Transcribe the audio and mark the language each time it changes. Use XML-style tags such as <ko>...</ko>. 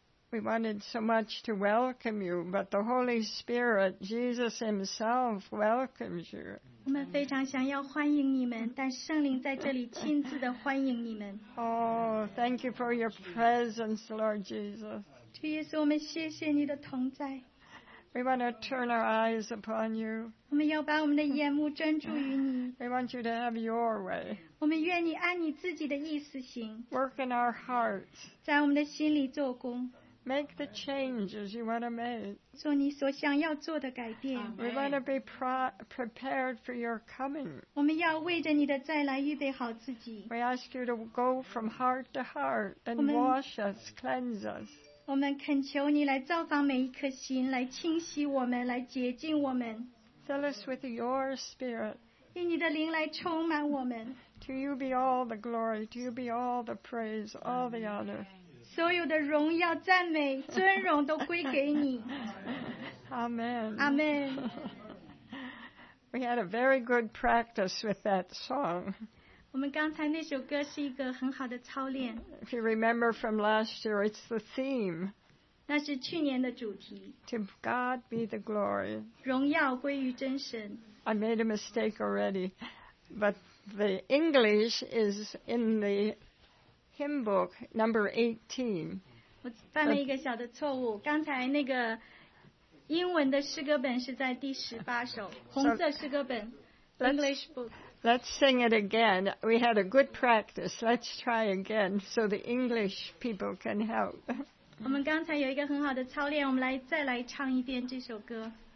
<en>We wanted so much to welcome you, but the Holy Spirit, Jesus Himself, welcomes you.</en> <zh>我们非常想要欢迎你们，但圣灵在这里亲自的欢迎你们。</zh> <en>Oh, thank you for your presence, Lord Jesus.</en> <zh>主耶稣，我们谢谢你的同在。</zh> <en>We want to turn our eyes upon you.</en> <zh>我们要把我们的眼目专注于你。</zh> <en>We want you to have your way.</en> <zh>我们愿你按你自己的意思行。</zh> <en>Work in our hearts.</en> <zh>在我们的心里做工。</zh> <en>Make the changes you want to make.</en> <zh>做你所想要做的改变。</zh> <en>We want to be prepared for your coming.</en> <zh>我们要为着你的再来预备好自己。</zh> <en>We ask you to go from heart to heart and wash us, cleanse us.</en> <zh>我们恳求你来造访每一颗心，来清洗我们，来洁净我们。</zh> <en>Fill us with your spirit.</en> <zh>用你的灵来充满我们。</zh> <en>To you be all the glory, to you be all the praise, all the honor.</en> <zh>所有的荣耀、赞美、尊荣都归给你。</zh> <en>Amen. Amen. We had a very good practice with that song.</en> <zh>我们刚才那首歌是一个很好的操练。</zh> <en>If you remember from last year, it's the theme.</en> <zh>那是去年的主题。</zh> <en>To God be the glory.</en> <zh>荣耀归于真神。</zh> <en>I made a mistake already, but the English is in the hymn book number 18.</en> <zh>我犯了一个小的错误。刚才那个英文的诗歌本是在第十八首，红色诗歌本。</zh> <en>English book. Let's sing it again. We had a good practice. Let's try again so the English people can help.</en> <zh>我们刚才有一个很好的操练，我们来再来唱一遍这首歌。</zh>